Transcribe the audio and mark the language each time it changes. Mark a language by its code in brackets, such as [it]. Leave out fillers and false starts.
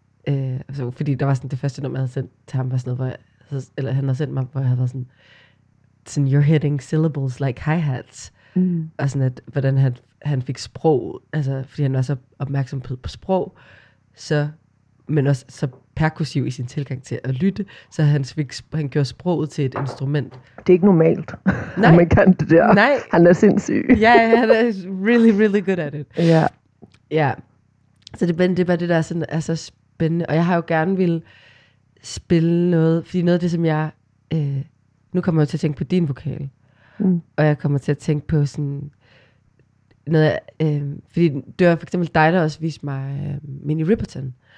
[da] Altså, fordi der var sådan det første nummer, jeg havde sendt til ham, var sådan noget, hvor jeg, eller han havde sendt mig, hvor jeg havde været sådan, [en] you're hitting syllables like hi-hats. [da] Og sådan, at hvordan han fik sprog, altså, fordi han var så opmærksom på sprog, så, men også så perkussiv i sin tilgang til at lytte, så han gjorde sproget til et instrument. Det er ikke normalt. Nej. Han kan det der. Nej. Han er sindssyg. Ja, han er [en] really, really good at it. [da] Ja. Ja. Så det er bare det, der er, sådan, er så spændende. Og jeg har jo gerne ville spille noget, fordi noget af det, som jeg... nu kommer jeg til at tænke på din vokal. Og jeg kommer til at tænke på sådan noget, fordi det var for eksempel dig, der også viste mig Minnie Riperton.